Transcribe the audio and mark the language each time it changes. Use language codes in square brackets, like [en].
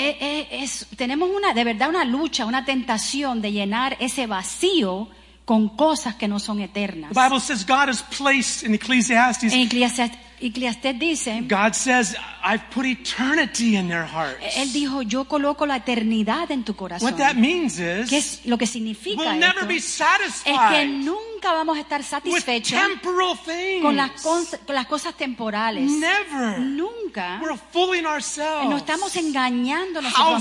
[es] Es tenemos una de verdad una lucha, una tentación de llenar ese vacío con cosas que no son eternas. [en] The Bible says God has placed in Ecclesiastes. [es] En Ecclesiastes dice, [en] God says, I've put eternity in their hearts. [es] Él dijo, yo coloco la eternidad en tu corazón. [en] What that means is, [es] que es lo que significa [en] we'll [es] esto, [en] never be satisfied. [es] Es que nunca vamos a estar satisfechos [en] with temporal things. [es] Con las cosas temporales. [en] Never. [es] Nunca. [en] We're fooling ourselves. [es] Nos estamos engañando nosotros